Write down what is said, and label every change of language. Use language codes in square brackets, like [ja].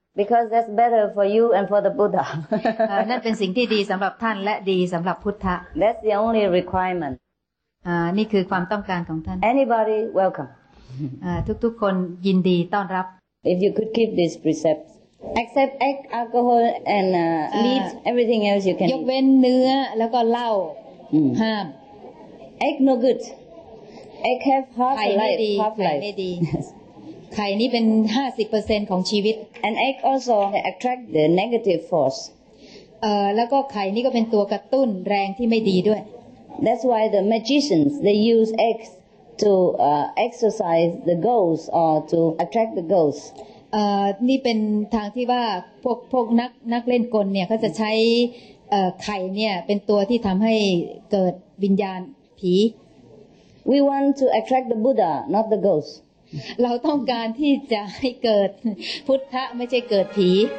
[en] Because that's better for you and for the Buddha. [th] นั่นเป็นสิ่งที่ดีสำหรับท่านและดีสำหรับพุทธะ [en] That's the only requirement. [th] นี่คือความต้องการของท่าน [en] Anybody welcome. [th] ทุกคนยินดีต้อนรับ [en] If you could keep these precepts except egg alcohol and meat everything else you can [th] ยกเว้นเนื้อแล้วก็เหล้าห้าม [en] egg no good egg have half life [th] ไข่ไม่ดีไข่นี่เป็น 50% ของชีวิต [en] and egg also attract the negative force [th] แล้วก็ไข่นี่ก็เป็นตัวกระตุ้นแรงที่ไม่ดีด้วย [en] that's why the magicians they use eggs to exercise the ghosts or to attract the ghosts [th] นี่เป็นทางที่ว่าพวกนักเล่นกลเนี่ยเขาจะใช้ไข่เนี่ยเป็นตัวที่ทำให้เกิดวิญญาณผี [en] we want to attract the buddha not the ghost [th] เราต้องการที่จะให้เกิดพุทธะไม่ใช่เกิดผี